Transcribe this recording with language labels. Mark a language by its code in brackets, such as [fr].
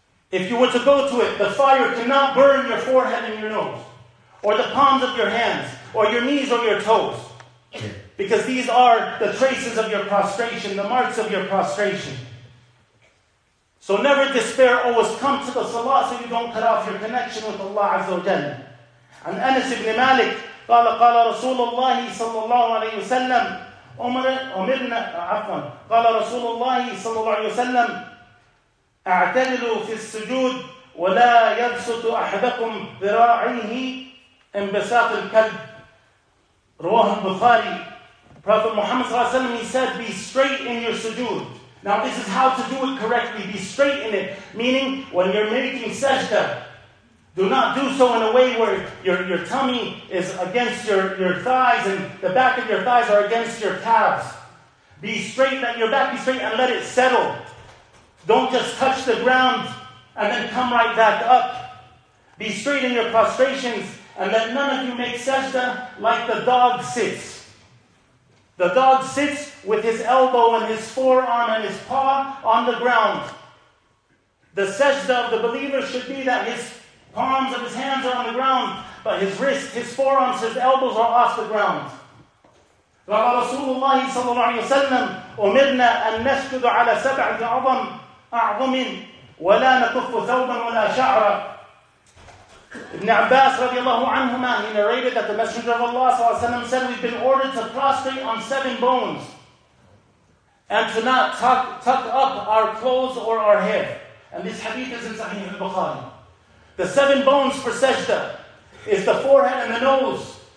[en] If you were to go to it, the fire cannot burn your forehead and your nose, or the palms of your hands, or your knees or your toes. Because these are the traces of your prostration, the marks of your prostration. So never despair, always come to the salah so you don't cut off your connection with Allah Azza wa Jalla. [ar] And Anas ibn Malik, قال رسول الله صلى الله عليه وسلم أمرنا عفوا قال رسول الله صلى الله عليه وسلم اعتدلوا في السجود ولا يبسط أحدكم ذراعيه انبساط الكلب رواه البخاري. [en] Prophet Muhammad صلى الله عليه وسلم, he said, be straight in your sujood. Now this is how to do it correctly. Be straight in it, meaning when you're making sajda, do not do so in a way where your tummy is against your thighs and the back of your thighs are against your calves. Be straight, let your back be straight and let it settle. Don't just touch the ground and then come right back up. Be straight in your prostrations and let none of you make sajda like the dog sits. The dog sits with his elbow and his forearm and his paw on the ground. The sajda of the believer should be that his palms of his hands are on the ground, but his wrists, his forearms, his elbows are off the ground. [ar] قال رسول الله صلى الله عليه وسلم أمرنا أن نسجد على سبع أعظم ولا نكف ثوبا ولا شعرا. [en] Ibn Abbas رضي الله عنهما, he narrated that the Messenger of Allah صلى الله عليه وسلم said, we've been ordered to prostrate on seven bones and to not tuck up our clothes or our hair. And this hadith is in Sahih al-Bukhari. The seven bones for sajda is the forehead and the nose.